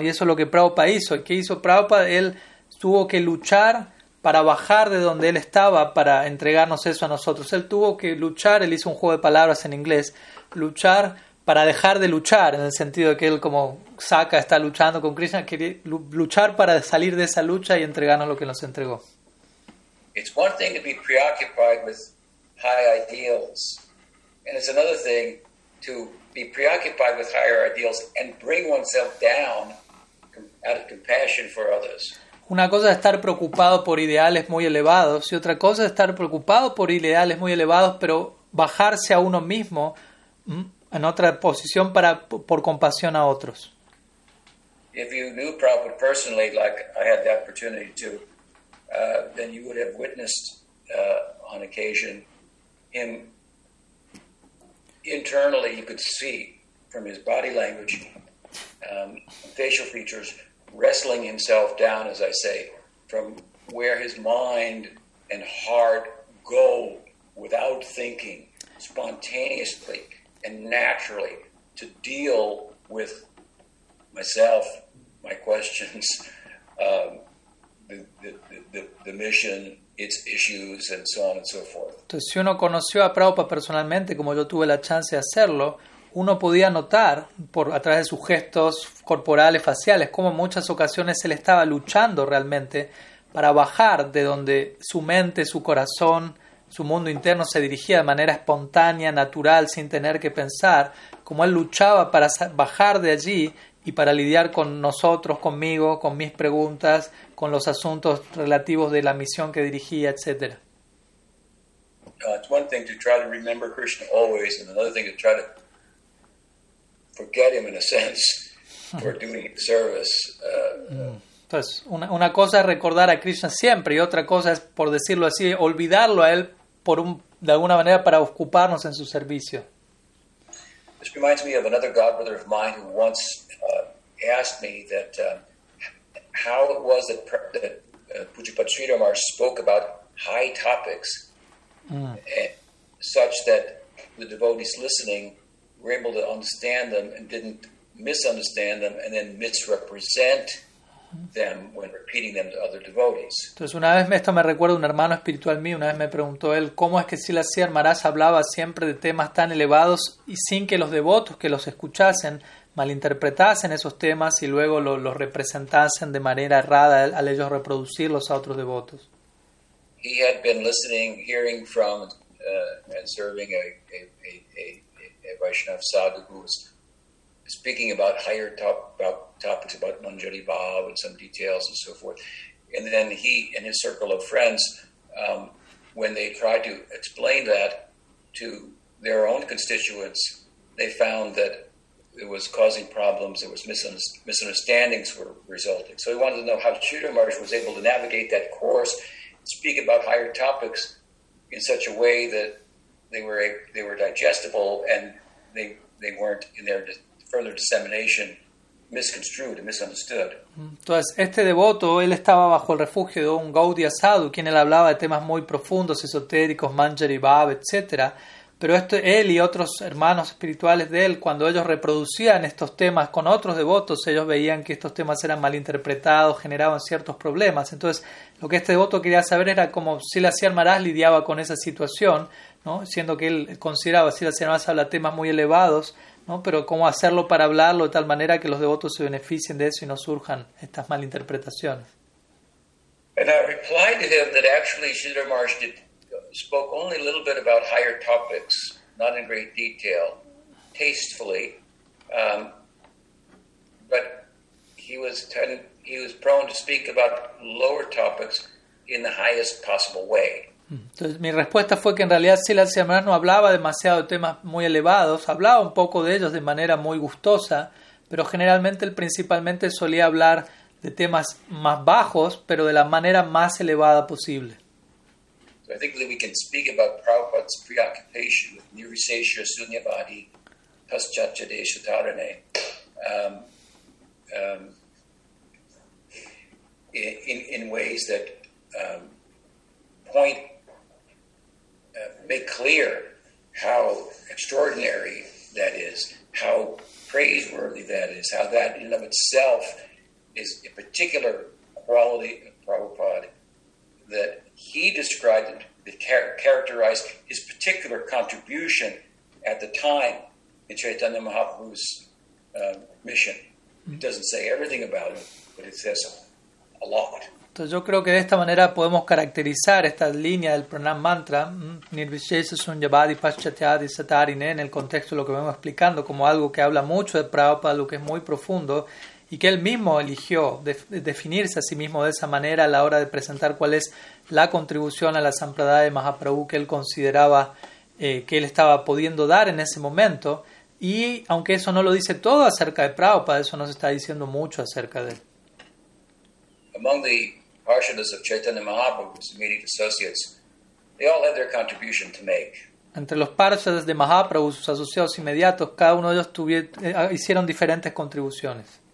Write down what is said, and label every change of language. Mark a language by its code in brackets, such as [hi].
[es] Y eso es lo que Prabhupada hizo. ¿Qué hizo Prabhupada? Él tuvo que luchar para bajar de donde él estaba para entregarnos eso a nosotros. Él tuvo que luchar, él hizo un juego de palabras en inglés, luchar para dejar de luchar, en el sentido de que él como saca, está luchando con Krishna, quería luchar para salir de esa lucha y entregarnos lo que nos entregó. [en] It's one thing to be preoccupied with high ideals, and it's another thing to be preoccupied with higher ideals and bring oneself down out of compassion for others. [es] Una cosa es estar preocupado por ideales muy elevados, y otra cosa es estar preocupado por ideales muy elevados, pero bajarse a uno mismo en otra posición por compasión a otros. [en] If you knew Prabhupada personally, like I had the opportunity to, then you would have witnessed on occasion him internally, you could see from his body language, facial features, wrestling himself down, as I say, from where his mind and heart go without thinking, spontaneously and naturally, to deal with myself, my questions, the mission, its issues, and so on and so forth. [es] Entonces, si uno conoció a Prabhupada personalmente, como yo tuve la chance de hacerlo, uno podía notar a través de sus gestos corporales, faciales, cómo muchas ocasiones él estaba luchando realmente para bajar de donde su mente, su corazón, su mundo interno se dirigía de manera espontánea, natural, sin tener que pensar, cómo él luchaba para bajar de allí y para lidiar con nosotros, conmigo, con mis preguntas, con los asuntos relativos de la misión que dirigía, etc. [en] It's one thing to try to remember Krishna always, and another thing to try to forget him in a sense for doing his service. [es] Entonces, una cosa es recordar a Krishna siempre, y otra cosa es, por decirlo así, olvidarlo a él de alguna manera para ocuparnos en su servicio. [en] This reminds me of another godbrother of mine who once asked me that how it was that Pujipad Sridhar spoke about high topics such that the devotees listening were able to understand them and didn't misunderstand them and then misrepresent them when repeating them to other devotees. [es] Entonces, una vez esto me recuerda un hermano espiritual mío, una vez me preguntó él, ¿cómo es que Srila Sridhar Maharaj hablaba siempre de temas tan elevados y sin que los devotos que los escuchasen malinterpretasen esos temas y luego los representasen de manera errada al ellos reproducirlos a otros devotos? [en] He had been listening, hearing from and serving a Vaishnav sadhu who was speaking about higher topics about Manjari Bhav and some details and so forth. And then he and his circle of friends, when they tried to explain that to their own constituents, they found that it was causing problems, it was misunderstandings were resulting. So he wanted to know how Sridhar Maharaj was able to navigate that course, speak about higher topics in such a way that they were digestible and they weren't in their further dissemination misconstrued and misunderstood. [es] Entonces, este devoto, él estaba bajo el refugio de un Gaudiya Sadhu, quien él hablaba de temas muy profundos, esotéricos, Manjari Bhav, etc. Pero esto, él y otros hermanos espirituales de él, cuando ellos reproducían estos temas con otros devotos, ellos veían que estos temas eran malinterpretados, generaban ciertos problemas. Entonces, lo que este devoto quería saber era cómo Srila Sridhar Maharaj lidiaba con esa situación, ¿no? Siendo que él consideraba, Srila Sridhar Maharaj habla temas muy elevados, ¿no? Pero cómo hacerlo para hablarlo de tal manera que los devotos se beneficien de eso y no surjan estas malinterpretaciones. [en] And I replied to him that actually Sridhar Maharaj spoke only a little bit about higher topics, not in great detail, tastefully, but he was prone to speak about lower topics in the highest possible way. [es] Entonces, mi respuesta fue que en realidad Srila Sridhar Maharaj no hablaba demasiado de temas muy elevados, hablaba un poco de ellos de manera muy gustosa, pero generalmente él principalmente solía hablar de temas más bajos, pero de la manera más elevada posible. [en] Particularly we can speak about Prabhupada's preoccupation with nirvishesha sunyavadi paschacchadesha tarane. In ways that make clear how extraordinary that is, how praiseworthy that is, how that in and of itself is a particular quality of Prabhupada that he described and characterized his particular contribution at the time in Chaitanya Mahaprabhu's mission. It doesn't say everything about him, but it says a lot. [es] Entonces yo creo que de esta manera podemos caracterizar esta línea del Pranam Mantra, Nirvishesha Sunyavadi Paschatyadi Satarine, en el contexto de lo que vamos explicando, como algo que habla mucho de Prabhupada, lo que es muy profundo, y que él mismo eligió definirse a sí mismo de esa manera a la hora de presentar cuál es la contribución a la Sampradaya de Mahaprabhu que él consideraba que él estaba pudiendo dar en ese momento. Y aunque eso no lo dice todo acerca de Prabhupada, eso nos está diciendo mucho acerca de él. [en] Among the parishioners of Chaitanya Mahaprabhu's immediate associates, they all had their contribution to make. [es] Entre los parishioners de Mahaprabhu, sus asociados inmediatos, cada uno de ellos hicieron diferentes contribuciones.